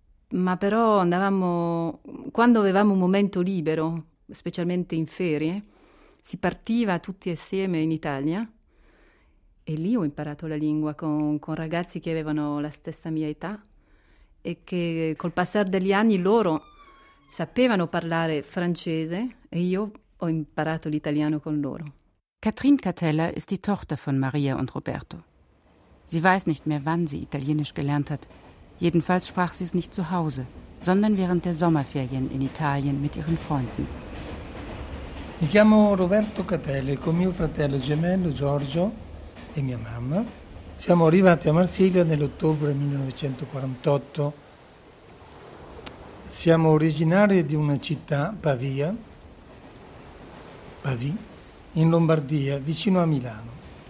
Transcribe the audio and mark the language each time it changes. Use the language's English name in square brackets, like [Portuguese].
[Italian] Ma però andavamo, quando avevamo un momento libero, specialmente in ferie, si partiva tutti assieme in Italia e lì ho imparato la lingua con ragazzi che avevano la stessa mia età e che col passare degli anni loro sapevano parlare francese e io ho imparato l'italiano con loro. [German] Catherine Catella ist die Tochter von Maria und Roberto. Sie weiß nicht mehr, wann sie Italienisch gelernt hat. Jedenfalls sprach sie es nicht zu Hause, sondern während der Sommerferien in Italien mit ihren Freunden. [Italian] Mi chiamo Roberto Catella, con mio fratello gemello Giorgio e mia mamma siamo arrivati a Marsiglia nell'ottobre 1948. Siamo originari di una città, Pavia, in Lombardia, vicino a Milano.